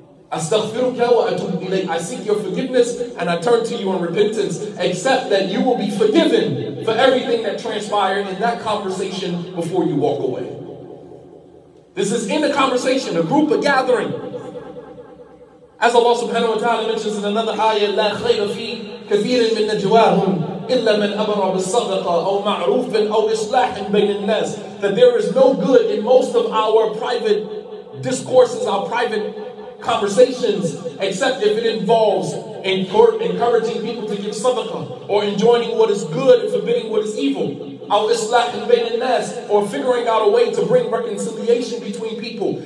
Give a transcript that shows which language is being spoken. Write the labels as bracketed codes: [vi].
[ar] Astaghfiruka wa atubu ilayk. [en] I seek your forgiveness and I turn to you in repentance. Accept that you will be forgiven for everything that transpired in that conversation before you walk away. This is in the conversation, a group, a gathering. As Allah subhanahu wa ta'ala mentions in another ayah, [ar] لا خير في كثير من نجواهم إلا من أمر بالصدقة أو معروف أو إصلاح بين الناس. [en] That there is no good in most of our private discourses, our private conversations, except if it involves encouraging people to give sadaqah, or enjoining what is good and forbidding what is evil, [ar] أو إصلاح بين الناس, [en] or figuring out a way to bring reconciliation between people.